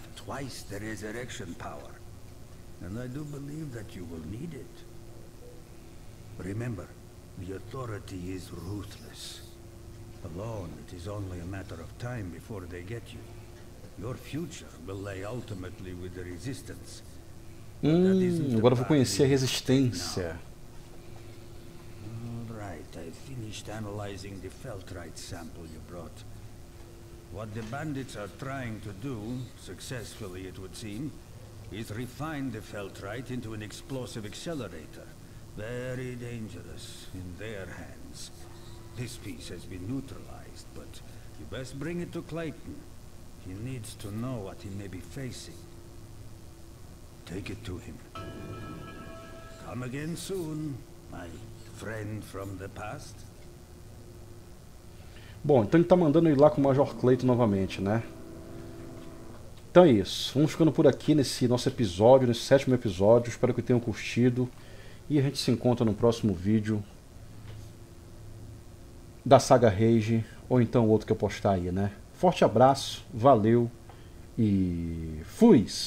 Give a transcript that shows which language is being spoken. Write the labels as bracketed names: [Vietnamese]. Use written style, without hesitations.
[English] twice the resurrection power. And I do believe that you will need it. Remember, the authority is ruthless. Alone, it is only a matter of time before they get you. Your future will lay ultimately with the resistance. [Portuguese] Agora vou conhecer a resistência. [English] All right, I finished analyzing the Feltrite sample you brought. What the bandits are trying to do, successfully it would seem, is refine the Feltrite into an explosive accelerator. Very dangerous in their hands. This piece has been neutralized, but you best bring it to Clayton. He needs to know what he may be facing. Take it to him. Come again soon, my friend from the past. [Portuguese] Bom, então ele tá mandando ir lá com o Major Clayton novamente, né? Então é isso. Vamos ficando por aqui nesse nosso episódio, nesse sétimo episódio. Espero que tenham curtido. E a gente se encontra no próximo vídeo da Saga Rage, ou então outro que eu postar aí, né? Forte abraço, valeu e fui!